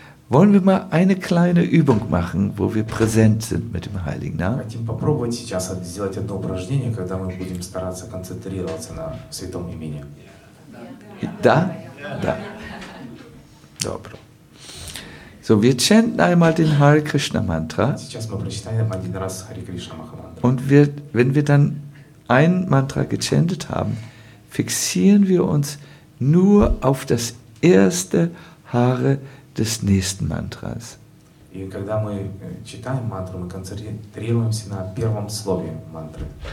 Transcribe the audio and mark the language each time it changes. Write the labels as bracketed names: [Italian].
[German] Wollen wir mal eine kleine Übung machen, wo wir präsent sind mit dem Heiligen Namen? [Russian] Хотим попробовать сейчас сделать одно упражнение, когда мы будем стараться концентрироваться на святом имени. Да? Да. Добро. [German] So, wir chanten einmal den Hare Krishna Mantra. [Russian] Сейчас мы прочитаем один раз Hare Krishna Mantra. [German] Und wenn wir dann ein Mantra gechantet haben, fixieren wir uns nur auf das erste Hare des nächsten Mantras. [Russian] И когда мы читаем мантру, мы концентрируемся на первом слове мантры.